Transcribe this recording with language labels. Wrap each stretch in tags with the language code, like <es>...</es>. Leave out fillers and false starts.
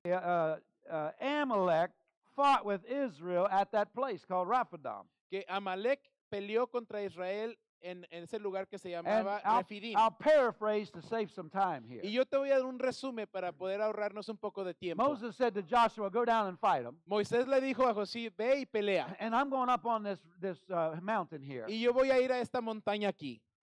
<en>that the Amalek fought with Israel at that place called Rephidim.</en> <es>Que Amalek peleó contra Israel en ese lugar que se llamaba Rephidim.</es> <en>I'll paraphrase to save some time here.</en> <es>Y yo te voy a dar un resumen para poder ahorrarnos un poco de tiempo.</es> <en>Moses said to Joshua, go down and fight them.</en> <es>Moisés le dijo a Josué, ve y pelea.</es> <en>And I'm going up on this mountain here.</en> <es>Y yo voy a ir a esta montaña aquí.</es>